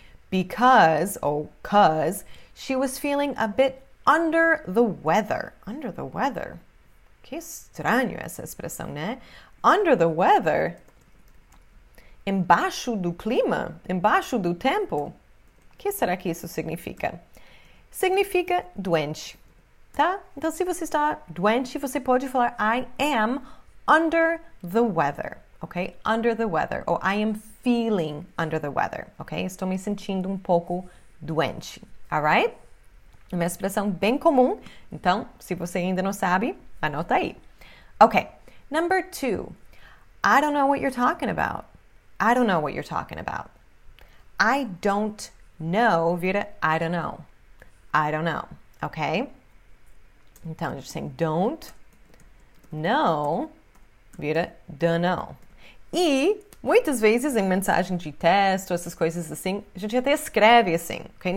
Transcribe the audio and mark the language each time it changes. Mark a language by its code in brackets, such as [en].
[en] Because, ou cause, she was feeling a bit under the weather. Under the weather? [pt] Que estranho essa expressão, né? [en] Under the weather? [pt] Embaixo do clima? Embaixo do tempo? O que será que isso significa? Significa doente. Tá? Então, se você está doente, você pode falar [en] I am under the weather, [pt] ok? [en] Under the weather. Ou I am feeling under the weather, ok? [pt] Estou me sentindo um pouco doente, alright? Uma expressão bem comum. Então, se você ainda não sabe, anota aí. [en] Ok, number two. I don't know what you're talking about. I don't know what you're talking about. I don't know vira I don't know. I don't know, ok? [pt] Então, a gente tem [en] don't know [pt] vira don't know. E, muitas vezes, em mensagem de texto, essas coisas assim, a gente até escreve assim, ok?